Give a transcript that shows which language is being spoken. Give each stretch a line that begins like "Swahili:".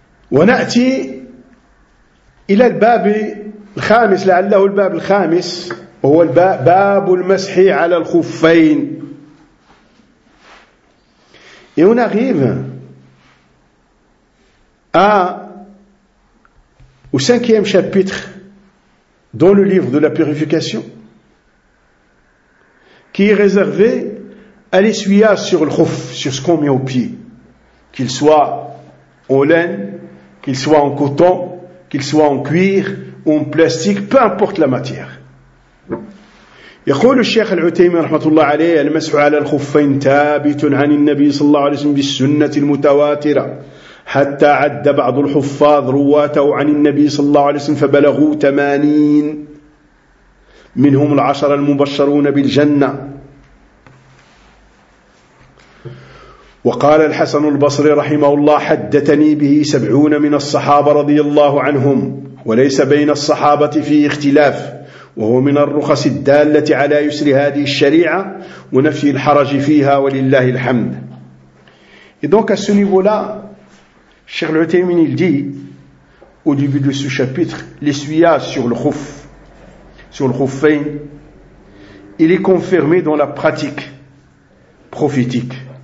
Arabic: ونأتي إلى الباب الخامس لعله الباب الخامس هو باب المسح على الخفين.
French: Et on arrive au cinquième chapitre dans le livre de la purification qui est réservé à l'essuyage sur le خف, sur ce qu'on met au pied, qu'il soit en laine, qu'il soit en coton, qu'il soit en cuir ou en plastique, peu importe la matière.
Arabic: يقول الشيخ العتيمي رحمه الله عليه المسح على الخفين ثابت عن النبي صلى الله عليه وسلم بالسنة المتواترة حتى عد بعض الحفاظ رواته عن النبي صلى الله عليه وسلم فبلغوا 80 منهم العشر المبشرون بالجنة. وقال الحسن البصري رحمه الله حدثني به 70 من الصحابة رضي الله عنهم وليس بين الصحابة فيه اختلاف وهو من الرخص الدالة على يسر هذه الشريعة ونفي الحرج فيها ولله الحمد.
French: Et donc à ce niveau-là, Cheikh al-Uthaymin il dit au début de ce chapitre, l'essuyage sur le khuf, sur le khuffain, il est confirmé dans la pratique prophétique.